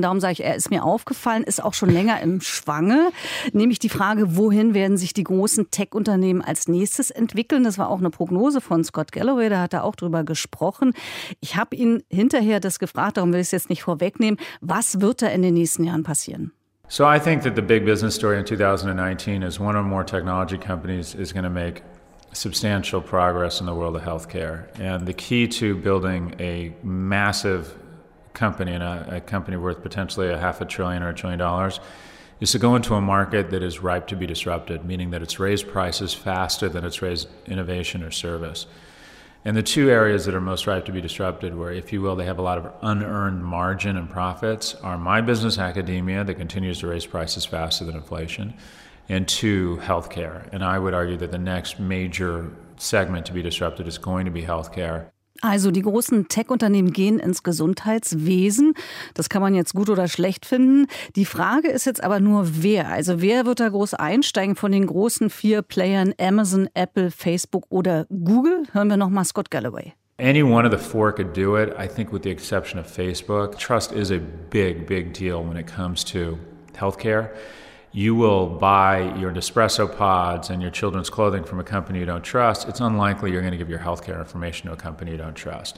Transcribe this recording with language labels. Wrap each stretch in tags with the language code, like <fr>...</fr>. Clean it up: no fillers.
<de>Darum sage ich, er ist mir aufgefallen, ist auch schon länger im Schwange. Nämlich die Frage, wohin werden sich die großen Tech-Unternehmen als nächstes entwickeln? Das war auch eine Prognose von Scott Galloway, da hat er auch drüber gesprochen. Ich habe ihn hinterher das gefragt, darum will ich es jetzt nicht vorwegnehmen. Was wird da in den nächsten Jahren passieren?</de> <en>So I think that the big business story in 2019 is one or more technology companies is going to make substantial progress in the world of healthcare. And the key to building a massive company and a company worth potentially $500 billion or $1 trillion is to go into a market that is ripe to be disrupted, meaning that it's raised prices faster than it's raised innovation or service. And the two areas that are most ripe to be disrupted, where, if you will, they have a lot of unearned margin and profits, are my business, academia, that continues to raise prices faster than inflation, and two, healthcare. And I would argue that the next major segment to be disrupted is going to be healthcare.</en> <de>Also die großen Tech-Unternehmen gehen ins Gesundheitswesen. Das kann man jetzt gut oder schlecht finden. Die Frage ist jetzt aber nur, wer? Also wer wird da groß einsteigen von den großen vier Playern Amazon, Apple, Facebook oder Google? Hören wir nochmal Scott Galloway.</de> <en>Any one of the four could do it. I think with the exception of Facebook, trust is a big, big deal when it comes to healthcare. You will buy your Nespresso pods and your children's clothing from a company you don't trust, it's unlikely you're going to give your healthcare information to a company you don't trust.</en>